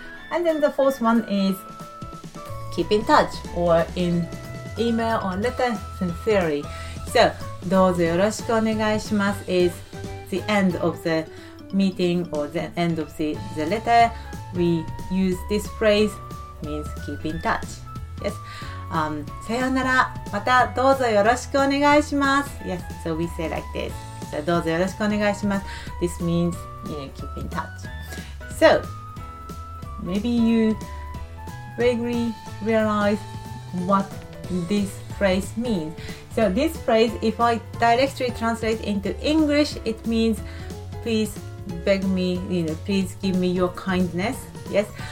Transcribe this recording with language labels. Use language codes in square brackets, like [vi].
[en] And then the fourth one is keep in touch or inEmail or letter sincerely. So, [ja] どうぞよろしくお願いします [en] is the end of the meeting or the end of the letter. We use this phrase, means keep in touch. [ja] Yes. さよなら。またどうぞよろしくお願いします。 [en] Yes, so we say like this. [ja] So, どうぞよろしくお願いします。 [en] This means, keep in touch. So, maybe you vaguely realize whatthis phrase means. So this phrase, if I directly translate into English, it means please beg me, please give me your kindness. Yes.